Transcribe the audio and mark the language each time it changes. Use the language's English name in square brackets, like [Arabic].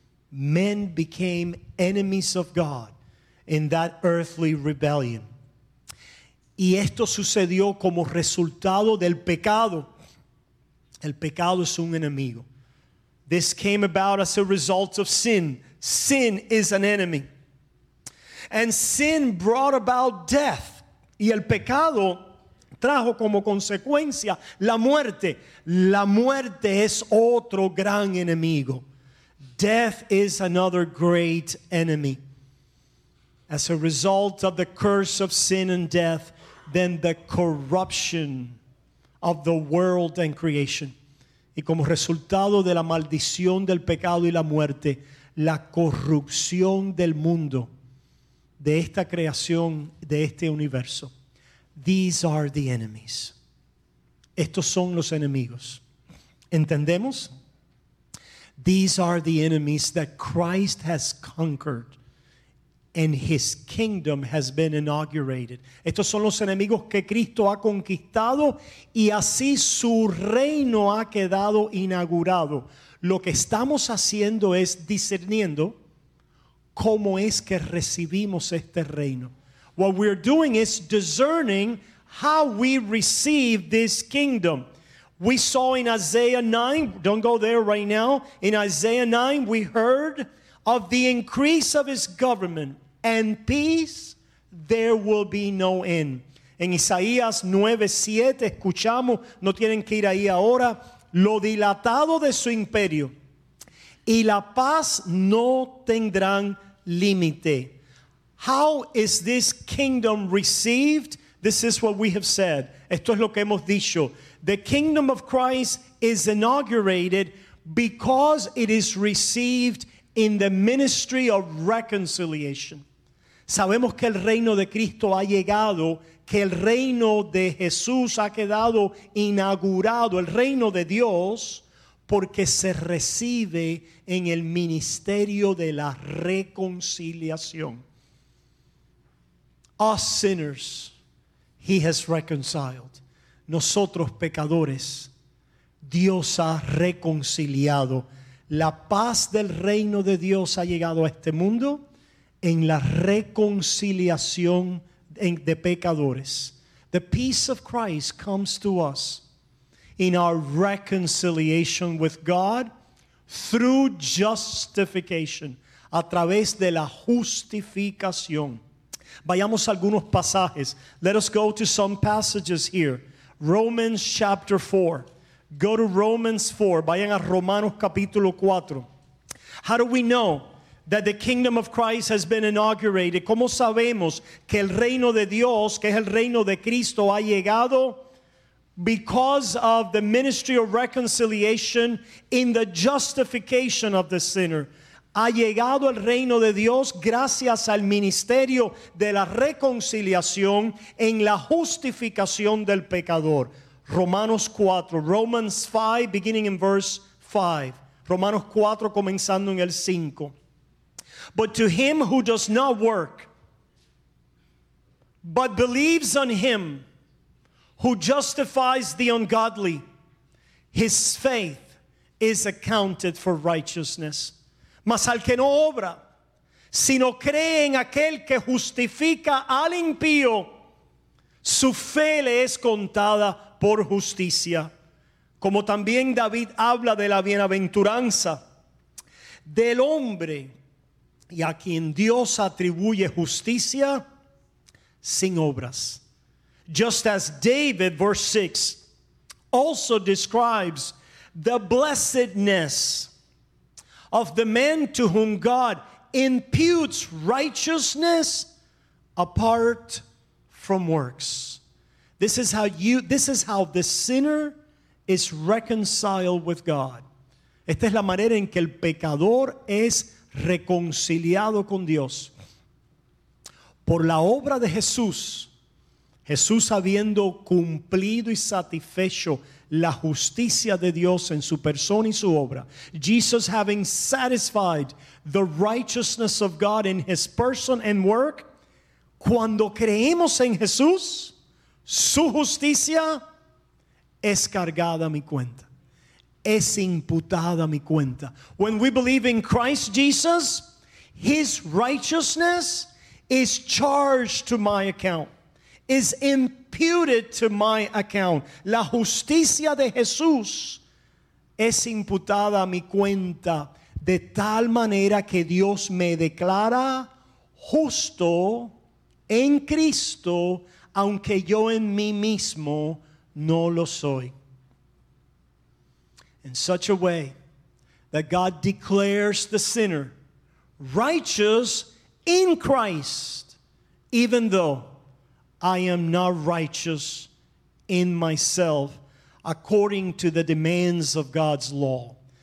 [English] Men became enemies of God in that earthly rebellion. [Spanish] Y esto sucedió como resultado del pecado. El pecado es un enemigo. [English] This came about as a result of sin. Sin is an enemy. And sin brought about death. [Spanish] Y el pecado trajo como consecuencia la muerte. La muerte es otro gran enemigo. [English] Death is another great enemy. As a result of the curse of sin and death, then the corruption of the world and creation. [Spanish] Y como resultado de la maldición del pecado y la muerte, la corrupción del mundo, de esta creación, de este universo. [English] These are the enemies. [Spanish] Estos son los enemigos. ¿Entendemos? [English] These are the enemies that Christ has conquered. and his kingdom has been inaugurated. [Spanish] Estos son los enemigos que Cristo ha conquistado y así su reino ha quedado inaugurado. Lo que estamos haciendo es discerniendo cómo es que recibimos este reino. [English] What we're doing is discerning how we receive this kingdom. We saw in Isaiah 9, don't go there right now. In Isaiah 9, we heard of the increase of his government and peace, there will be no end. [Spanish] En Isaías 9:7 escuchamos, no tienen que ir ahí ahora, lo dilatado de su imperio y la paz no tendrán límite. [English] How is this kingdom received? This is what we have said. [Spanish] Esto es lo que hemos dicho. [English] The kingdom of Christ is inaugurated because it is received in the ministry of reconciliation. [Spanish] Sabemos que el reino de Cristo ha llegado, que el reino de Jesús ha quedado inaugurado, el reino de Dios, porque se recibe en el ministerio de la reconciliación. [English] Us sinners, he has reconciled. [Spanish] Nosotros pecadores, Dios ha reconciliado. La paz del reino de Dios ha llegado a este mundo en la reconciliación de pecadores. [English] The peace of Christ comes to us in our reconciliation with God through justification, [Spanish] a través de la justificación. Vayamos a algunos pasajes. [English] Let us go to some passages here. Romans chapter 4. Go to Romans 4. [Spanish] Vayan a Romanos capítulo 4. [English] How do we know that the kingdom of Christ has been inaugurated? [Spanish] ¿Cómo sabemos que el reino de Dios, que es el reino de Cristo, ha llegado? [English] Because of the ministry of reconciliation in the justification of the sinner. [Spanish] Ha llegado el reino de Dios gracias al ministerio de la reconciliación en la justificación del pecador. [English] Romanos 4, Romans 5, beginning in verse 5. [Spanish] Romanos 4, comenzando en el 5. [English] But to him who does not work, but believes on him who justifies the ungodly, his faith is accounted for righteousness. [Spanish] Mas al que no obra, sino cree en aquel que justifica al impío, su fe le es contada por justicia. Como también David habla de la bienaventuranza del hombre y a quien Dios atribuye justicia sin obras. [English] Just as David, verse 6, also describes the blessedness of the man to whom God imputes righteousness apart from works. This is how the sinner is reconciled with God. [Spanish] Esta es la manera en que el pecador es reconciliado con Dios. Por la obra de Jesús, Jesús habiendo cumplido y satisfecho la justicia de Dios en su persona y su obra. [English] Jesus having satisfied the righteousness of God in his person and work. [Spanish] Cuando creemos en Jesús, su justicia es cargada a mi cuenta. Es imputada a mi cuenta. [English] When we believe in Christ Jesus, his righteousness is charged to my account. Is imputed to my account. [Spanish] La justicia de Jesús es imputada a mi cuenta de tal manera que Dios me declara justo en Cristo, aunque yo en mí mismo no lo soy. [English] In such a way that God declares the sinner righteous in Christ, even though I am not righteous in myself according to the demands of God's law.